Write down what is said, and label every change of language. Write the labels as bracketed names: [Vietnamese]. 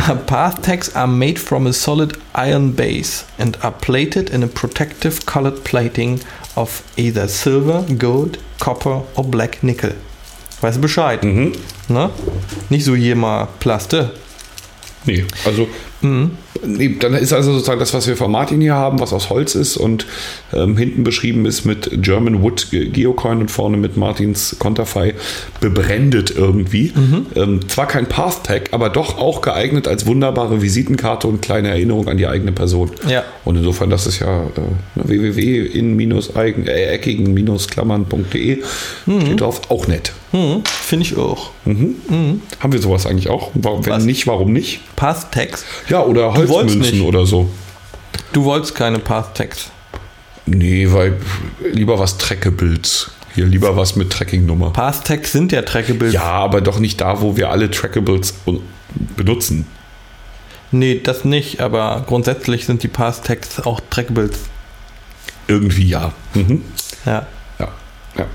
[English] Passtags are made from a solid iron base and are plated in a protective colored plating of either silver, gold, copper or black nickel. [German] Weißt du Bescheid? Mhm. Na? Nicht so hier mal Plaste. Nee, also dann ist also sozusagen das, was wir von Martin hier haben, was aus Holz ist und hinten beschrieben ist mit German Wood Geocoin und vorne mit Martins Konterfei bebrändet irgendwie. Mhm. Zwar kein Passtag, aber doch auch geeignet als wunderbare Visitenkarte und kleine Erinnerung an die eigene Person. Ja. Und insofern, das ist ja www.in-eckigen-klammern.de steht drauf, auch nett. Mhm. Finde ich auch. Mhm. Mhm. Haben wir sowas eigentlich auch? Warum nicht? Passtags? Ja, oder Holzmünzen oder so. Du wolltest keine Passtags. Nee, weil lieber was Trackables. Hier lieber was mit Tracking-Nummer. Passtags sind ja Trackables. Ja, aber doch nicht da, wo wir alle Trackables benutzen. Nee, das nicht. Aber grundsätzlich sind die Passtags auch Trackables. Irgendwie ja. Mhm. Ja. Ja.